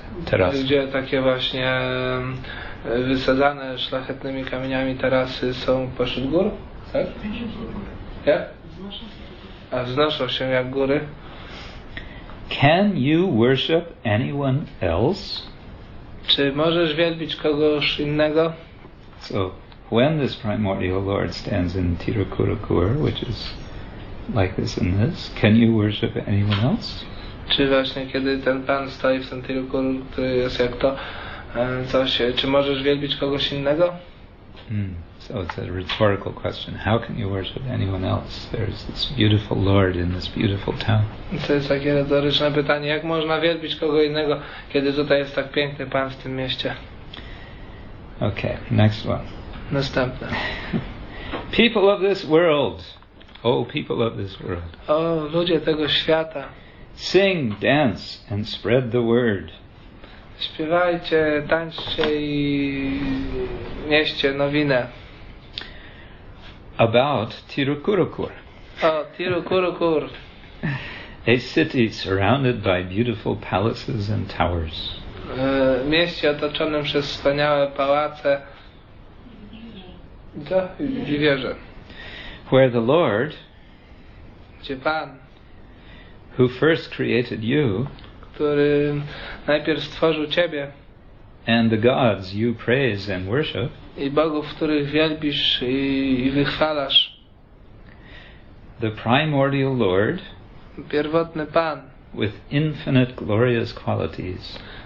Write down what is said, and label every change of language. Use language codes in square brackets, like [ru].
[pl] Teraz, gdzie takie właśnie wysadzane szlachetnymi kamieniami tarasy są pośród gór, tak? Yeah? A wznoszą się jak góry. [en] Can you worship anyone else? [pl] Czy możesz wielbić kogoś innego? [en] So, when this primordial Lord stands in Tirukurukur, which is like this and this, can you worship anyone else? [pl] Czy właśnie kiedy ten Pan stoi w Tirukur, który jest jak to, coś, czy możesz wielbić kogoś innego? [en] So it's a rhetorical question. How can you worship anyone else? There's this beautiful Lord in this beautiful town. [pl] To jest takie retoryczne pytanie. Jak można wielbić kogo innego, kiedy tutaj jest tak piękny Pan w tym mieście? [en] Okay, next one. [pl] Następne. [en] People of this world. Oh, people of this world. [pl] O, ludzie tego świata. [en] Sing, dance and spread the word. [pl] Śpiewajcie, tańczcie i nieście nowinę. [en] About Tirukurukur. [pl] O, Tirukurukur. [en] A city surrounded by beautiful palaces and towers. [pl] Mieście otoczonym przez wspaniałe pałace. I wieże. [en] Where the Lord, [pl] gdzie Pan, [en] who first created you, [pl] który najpierw stworzył ciebie, [en] and the gods you praise and worship, [pl] i bogów, których wielbisz i wychwalasz, [en] the primordial Lord, [pl] pierwotny Pan, [en] with infinite glorious qualities,